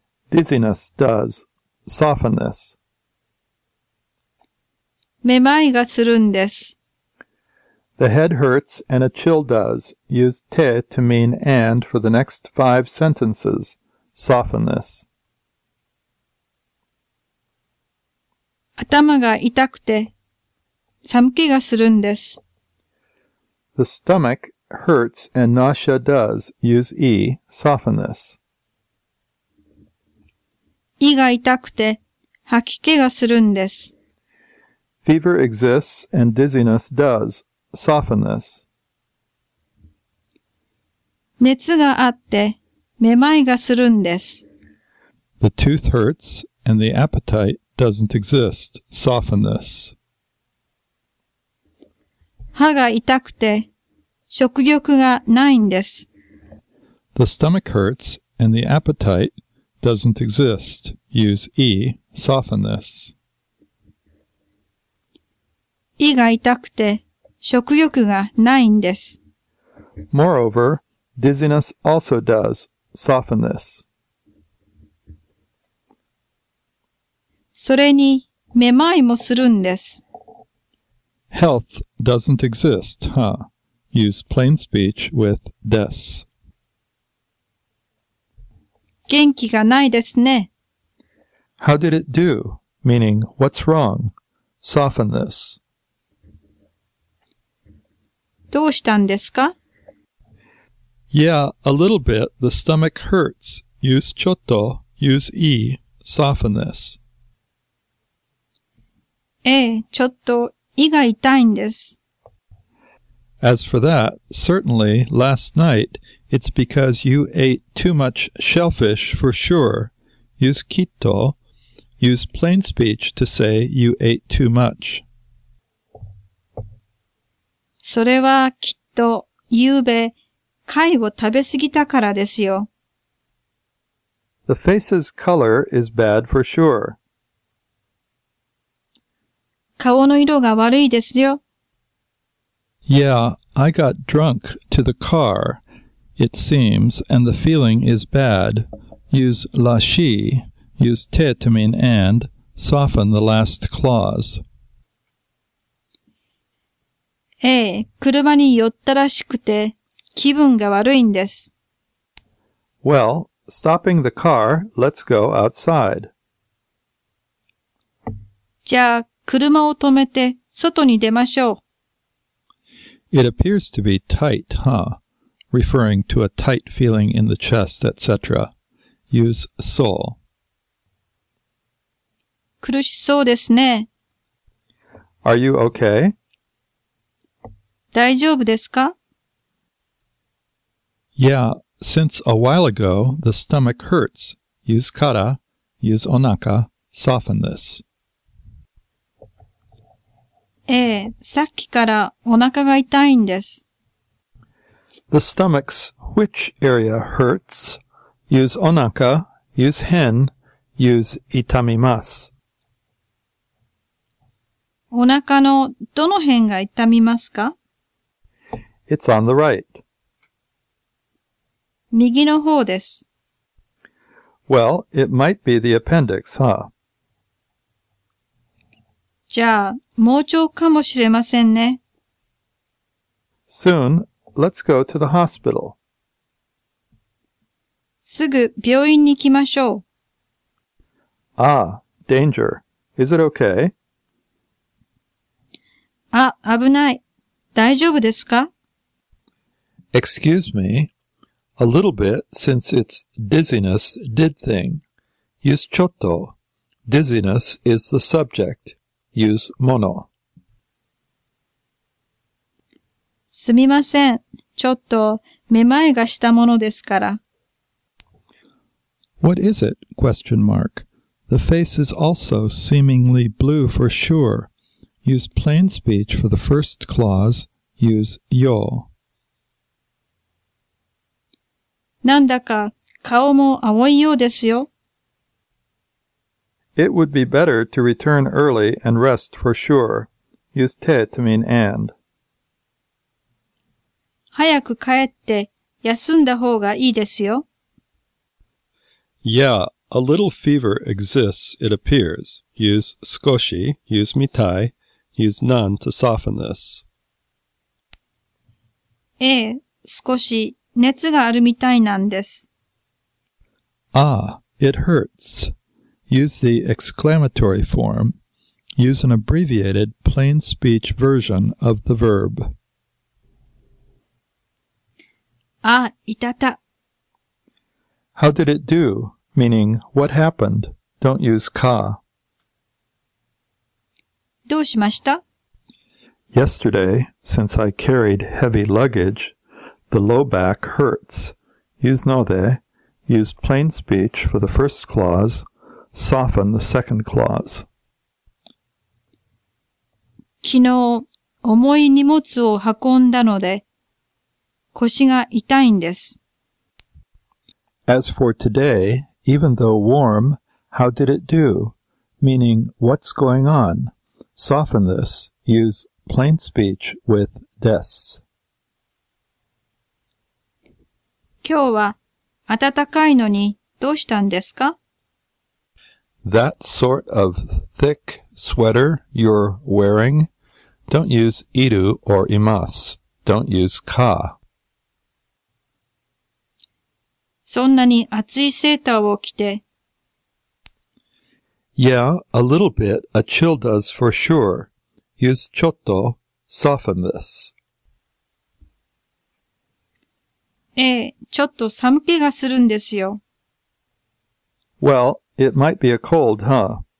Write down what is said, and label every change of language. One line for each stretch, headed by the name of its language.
English: Dizziness does. Soften this.
Japanese: めまいがするんです。
English: The head hurts and a chill does. Use te to mean and for the next five sentences. Soften this.
Japanese: 頭が痛くて寒気がするんです。
English: The stomach hurts and nausea does. Use e. Soften this.
Japanese: 胃が痛くて吐き気がするんです。
English: Fever exists and dizziness does. Soften this.
Japanese: 熱があってめまいがするんです。
English: The tooth hurts and the appetite doesn't exist. Soften this.
Japanese: 歯が痛くて食欲がないんです。
English: The stomach hurts and the appetite doesn't exist. Use E. Soften this.
Japanese: 胃が痛くて食欲がないんです。
English: Moreover, dizziness also does. Soften this.
Japanese: それにめまいもするんです。
English: Health doesn't exist, huh? Use plain speech with des.
Japanese: 元気がないですね。
English: How did it do? Meaning, what's wrong? Soften this.
Japanese: どうしたんですか?
English: Yeah, a little bit. The stomach hurts. Use ちょっと, use e. Soften this.
Japanese: ええ、ちょっと胃が痛いんです。
English: As for that, certainly, last night, it's because you ate too much shellfish for sure. Use きっと, use plain speech to say you ate too much.
Japanese: それはきっと、ゆうべ、貝を食べすぎたからですよ。
English: The face's color is bad for sure.
Japanese: 顔の色が悪いですよ。
English: Yeah, I got drunk to the car, it seems, and the feeling is bad. Use la shi, use te to mean and, soften the last clause.
Japanese: ええ、車に酔ったらしくて気分が悪いんです。
English: Well, stopping the car, let's go outside.
Japanese: じゃあ、車を止めて外に出ましょう。
English: It appears to be tight, huh? Referring to a tight feeling in the chest, etc. Use so.
Japanese: 苦しそうですね。
English: Are you okay?
Japanese: 大丈夫ですか?
English: Yeah, since a while ago, the stomach hurts. Use kara, use onaka, soften this.
Japanese: ええ、さっきからお腹が痛いんです。
English: The stomach's which area hurts? Use onaka, use hen, use itamimasu.
Japanese: お腹のどの辺が痛みますか?
English: It's on the right.
Japanese: 右の方です。
English: Well, it might be the appendix, huh?
Japanese: じゃあ、盲腸かもしれませんね。
English: Soon, let's go to the hospital.
Japanese: すぐ病院に行きましょう。
English: Ah, danger. Is it okay?
Japanese: あ、危ない。大丈夫ですか?
English: Excuse me. A little bit, since it's dizziness, did thing. Use ちょっと. Dizziness is the subject. Use もの.
Japanese: すみません。ちょっと、めまいがしたものですから。
English: What is it? Question mark. The face is also seemingly blue for sure. Use plain speech for the first clause. Use よ。
Japanese: なんだか顔も青いようですよ。
English: It would be better to return early and rest for sure. Use te to mean and.
Japanese: 早く帰って休んだ方がいいですよ。
English: Yeah, a little fever exists, it appears. Use 少し, use みたい。 Use none to soften this.
Japanese: ええ、少し熱があるみたいなんです。
English: Ah, it hurts. Use the exclamatory form. Use an abbreviated plain speech version of the verb.
Japanese: Ah, いたた。
English: How did it do? Meaning, what happened? Don't use か。
Japanese: どうしました?
English: Yesterday, since I carried heavy luggage, the low back hurts. Use ので, use plain speech for the first clause, soften the second clause.
Japanese: 昨日、重い荷物を運んだので、腰が痛いんです。
English: As for today, even though warm, how did it do? Meaning, what's going on? Soften this. Use plain speech with です。
Japanese: 今日は暖かいのにどうしたんですか?
English: That sort of thick sweater you're wearing? Don't use いる or います。 Don't use か。
Japanese: そんなに厚いセーターを着て、
English: Yeah, a little bit, a chill does for sure. Use ちょっと, soften this.
Japanese: ええ、ちょっと寒気がするんですよ。
English: Well, it might be a cold, huh?